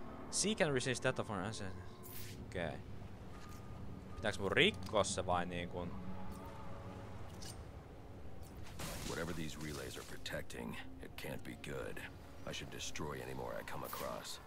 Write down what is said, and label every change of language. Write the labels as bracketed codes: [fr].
[en] Seek and resist data for an asset. [fi] Okei. Pitääks mun rikkoa se vai niinkun? [en] Whatever these relays are protecting, it can't be good. I should destroy any more I come across.